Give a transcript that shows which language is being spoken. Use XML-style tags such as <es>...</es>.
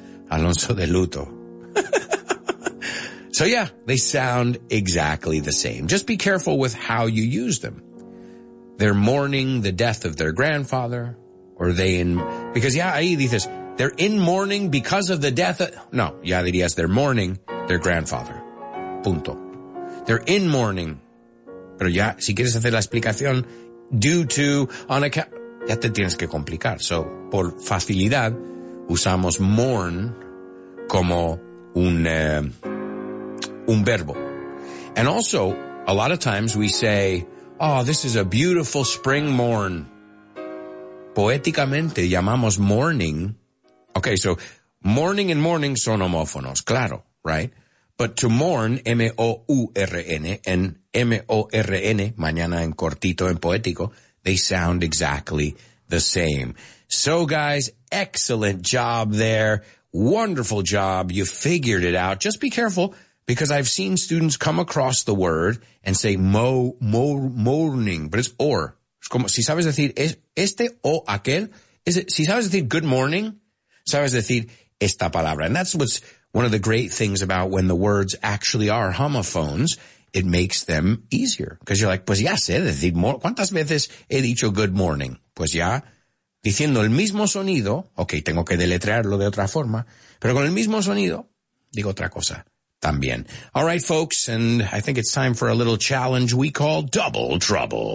<en>Alonso de Luto. So yeah, they sound exactly the same. Just be careful with how you use them. They're mourning the death of their grandfather, or they in, because yeah,</en> <es>ahí dices,</es> <en>they're in mourning because of the death of,</en> <es>no, ya dirías,</es> <en>they're mourning their grandfather.</en> <es>Punto.</es> <en>They're in mourning,</en> <es>pero ya, si quieres hacer la explicación, due to, on account, ya te tienes que complicar. So, por facilidad, usamos mourn como un verbo.</es> <en>And also, a lot of times we say, oh, this is a beautiful spring morn.</en> <es>Poéticamente llamamos morning.</es> <en>Okay, so morning and morning</en> <es>son homófonos, claro, right?</es> <en>But to mourn, M-O-U-R-N, and M-O-R-N,</en> <es>mañana en cortito, en poético,</es> <en>they sound exactly the same. So guys, excellent job there. Wonderful job. You figured it out. Just be careful, because I've seen students come across the word and say mourning, but it's or.</en> <es>Es como, si sabes decir este o aquel, si sabes decir good morning, sabes decir esta palabra.</es> <en>And that's what's one of the great things about when the words actually are homophones. It makes them easier because you're like,</en> <es>pues ya sé decir, ¿cuántas veces he dicho</es> <en>good morning?</en> <es>Pues ya diciendo el mismo sonido, ok, tengo que deletrearlo de otra forma, pero con el mismo sonido digo otra cosa también.</es> <en>All right, folks, and I think it's time for a little challenge we call Double Trouble.</en>